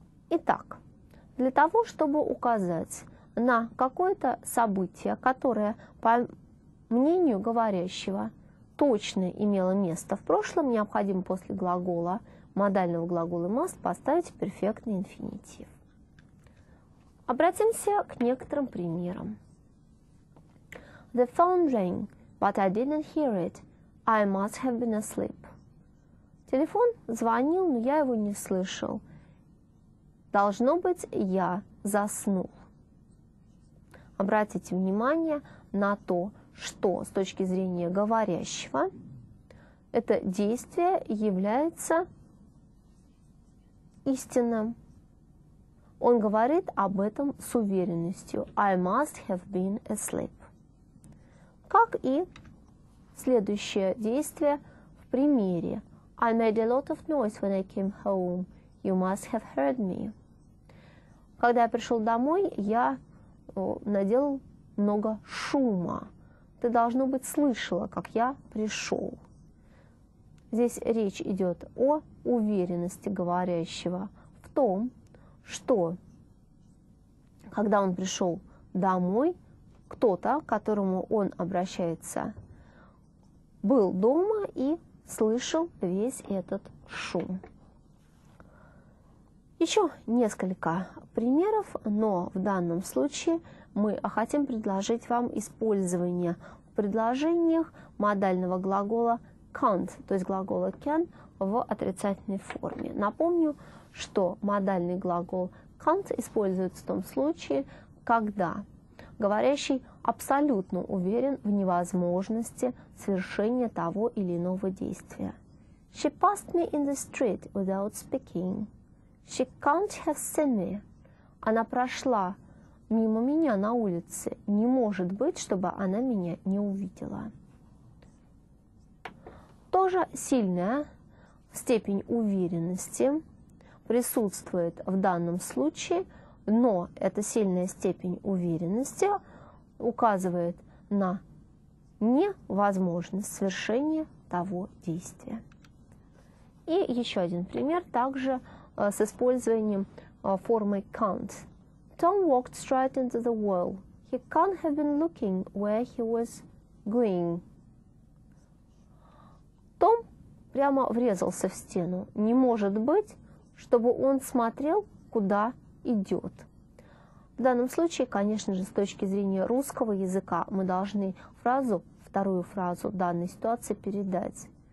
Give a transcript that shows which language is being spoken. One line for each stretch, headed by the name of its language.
Russian: Итак, для того, чтобы указать на какое-то событие, которое, по мнению говорящего, точно имело место в прошлом, необходимо после глагола, модального глагола must, поставить перфектный инфинитив. Обратимся к некоторым примерам.
English: The phone rang, but I didn't hear it. I must have been asleep.
Russian: Телефон звонил, но я его не слышал. Должно быть, я заснул. Обратите внимание на то, что с точки зрения говорящего это действие является истинным. Он говорит об этом с уверенностью.
English: I must have been asleep.
Russian: Как и следующее действие в примере.
English: I made a lot of noise when I came home. You must have heard me.
Russian: Когда я пришел домой, я наделал много шума. Ты, должно быть, слышала, как я пришел. Здесь речь идет о уверенности говорящего в том, что когда он пришел домой, кто-то, к которому он обращается, был дома и слышал весь этот шум. Еще несколько примеров, но в данном случае мы хотим предложить вам использование в предложениях модального глагола can't, то есть глагола can в отрицательной форме. Напомню, что модальный глагол can't используется в том случае, когда говорящий абсолютно уверен в невозможности совершения того или иного действия.
English: She passed me in the street without speaking. She can't have seen me.
Russian: Она прошла мимо меня на улице. Не может быть, чтобы она меня не увидела. Тоже сильная степень уверенности присутствует в данном случае, но эта сильная степень уверенности указывает на невозможность совершения того действия. И еще один пример, также с использованием формы can't.
English: Tom walked straight into the wall. He can't have been looking where he was going.
Russian: Том прямо врезался в стену. Не может быть, чтобы он смотрел, куда идет. В данном случае, конечно же, с точки зрения русского языка, мы должны фразу, вторую фразу данной ситуации передать.